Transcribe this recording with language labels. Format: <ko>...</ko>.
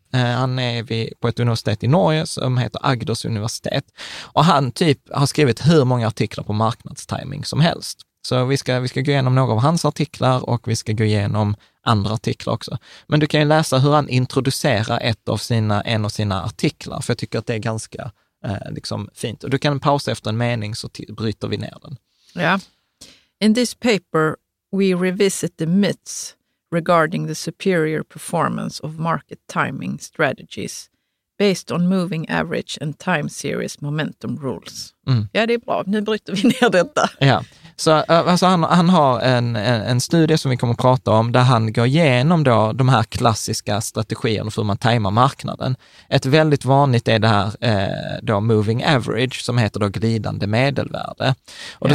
<sv>Han är på ett universitet i Norge som heter Agders universitet och han typ har skrivit hur många artiklar på marknadstiming som helst. Så vi ska gå igenom några av hans artiklar och vi ska gå igenom andra artiklar också. Men du kan ju läsa hur han introducerar en av sina artiklar, för jag tycker att det är ganska liksom fint. Och du kan pausa efter en mening så bryter vi ner den. Ja. Yeah.</sv> <en>In this paper we revisit the myths regarding the superior performance of market timing strategies based on moving average and time series momentum rules. Mm.</en> <sv>Ja, det är bra. Nu bryter vi ner detta. Ja, så alltså han har en studie som vi kommer att prata om där han går igenom då de här klassiska strategierna för hur man tajmar marknaden. Ett väldigt vanligt är det här då moving average som heter då glidande medelvärde. Och ja.</sv>